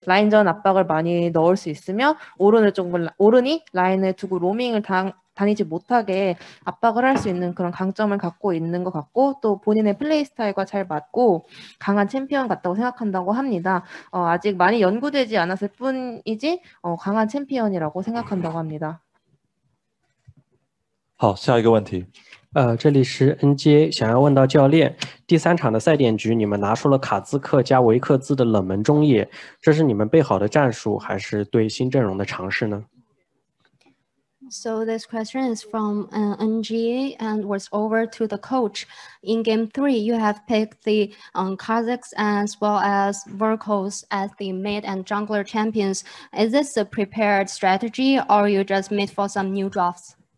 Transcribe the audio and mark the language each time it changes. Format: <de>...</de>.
<ko>라인전 압박을 많이 넣을 수 있으면 오른을 조금 오른이 라인을 두고 로밍을 다니지 못하게 압박을 할수 있는 그런 강점을 갖고 있는 것 같고, 또 본인의 플레이 스타일과 잘 맞고 강한 챔피언 같다고 생각한다고 합니다. 아직 많이 연구되지 않았을 뿐이지 강한 챔피언이라고 생각한다고 합니다.</ko> <zh>好，下一个问题。这里是 NJ 想要问到教练，第三场的赛点局，你们拿出了卡兹克加维克兹的冷门中野，这是你们备好的战术，还是对新阵容的尝试呢？</zh> <en>So this question is from NGA and was over to the coach. In game three, you have picked the Kha'Zix as well as Vorkos as the mid and jungler champions. Is this a prepared strategy or you just made for some new drafts?</en>